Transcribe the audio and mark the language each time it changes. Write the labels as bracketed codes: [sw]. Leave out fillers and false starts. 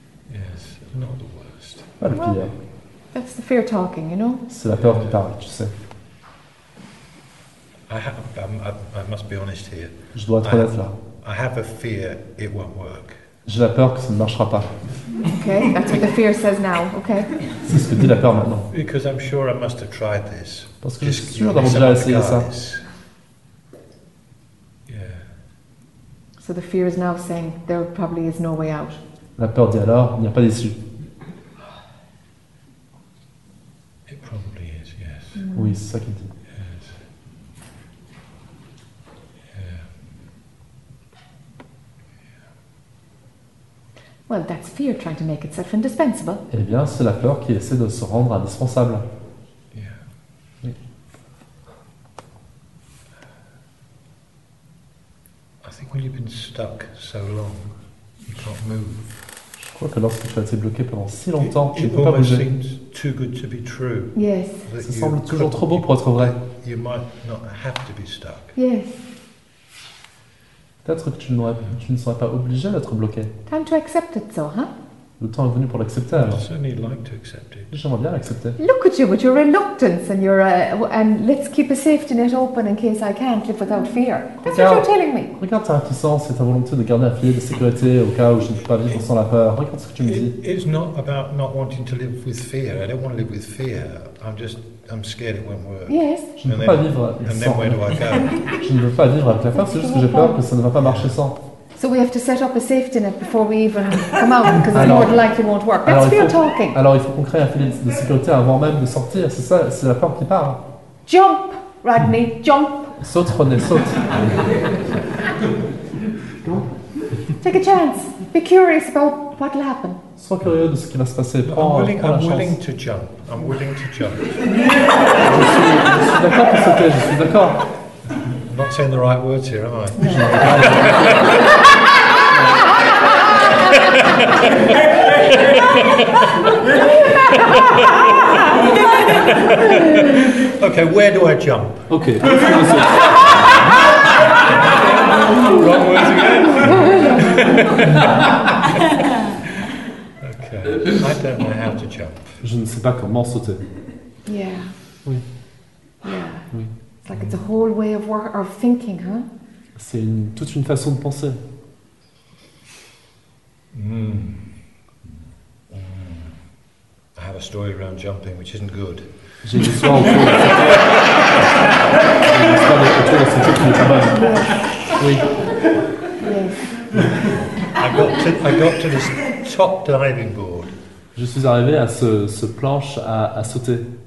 [en] Yes, not the worst. [fr] Pas le pire. [en] That's the fear talking, you know? [fr] C'est la peur qui parle, tu sais. [en] I must be honest here. [fr] Je dois être honnête là. [en] I have a fear it won't work. [fr] J'ai la peur que ça ne marchera pas. [en] Okay, that's what the fear says now. Okay. [fr] C'est ce que dit la peur maintenant. [en] Because I'm sure I must have tried this. [fr] Parce que je suis sûr d'avoir déjà essayé ça. [en] Yeah. So the fear is now saying there probably is no way out. [fr] La peur dit alors il n'y a pas d'issue. [en] It probably is. Yes. [fr] Oui, c'est ça qu'il dit. [en] Well, that's fear trying to make itself indispensable. [fr] Eh bien, c'est la peur qui essaie de se rendre indispensable. [en] Yeah. I think when you've been stuck so long, you can't move. [fr] Je crois que lorsque tu as été bloqué pendant si longtemps, tu ne peux pas bouger. [en] It almost seems too good to be true. Yes. [fr] Ça semble toujours trop beau pour être vrai. [en] You might not have to be stuck. Yes. [fr] Peut-être que tu ne serais pas obligé d'être bloqué. [en] Time to accept it, so, huh? [fr] Le temps est venu pour l'accepter, alors. [en] Certainly like to accept it. [fr] J'aimerais bien l'accepter. [en] Look at you with your reluctance and your and let's keep a safety net open in case I can't live without fear. That's what you're telling me. [fr] Regarde ta réticence et ta volonté de garder un filet de sécurité au cas où je ne peux pas vivre sans la peur. Regarde ce que tu me dis. [en] It's not about not wanting to live with fear. I don't want to live with fear. I'm scared it won't work. Yes. [fr] Je ne veux pas vivre sans. [en] And then where do I go? [fr] Je ne veux pas vivre avec la peur. C'est juste que j'ai peur que ça ne va pas marcher sans. [en] So we have to set up a safety net before we even come out, because it's more than likely won't work. That's fear talking. [fr] Alors il faut qu'on crée un filet de sécurité avant même de sortir. C'est ça, c'est la peur qui part. [en] Jump, Rodney, jump. [fr] Saute, Rodney, saute. [en] Take a chance. Be curious about what will happen. [fr] Sois curieux de ce qui va se passer. [en] I'm willing to jump. [fr] Je suis d'accord pour sauter. Je suis d'accord. [en] I'm not saying the right words here, am I? Okay, where do I jump? Okay. Wrong words again. Okay. I don't know how to jump. [fr] Je ne sais pas comment sauter. [en] Yeah. [fr] Oui. [en] Yeah. [fr] Oui. [en] It's like it's a whole way of work or thinking, huh? [fr] C'est une, toute une façon de penser. [en] I have a story around jumping which isn't good. [fr] J'ai une histoire autour de cette chose. J'ai une histoire autour de cette chose qui n'est pas bonne. Oui. [en] I got to this top diving board. [fr] Je suis arrivé à ce planche à sauter.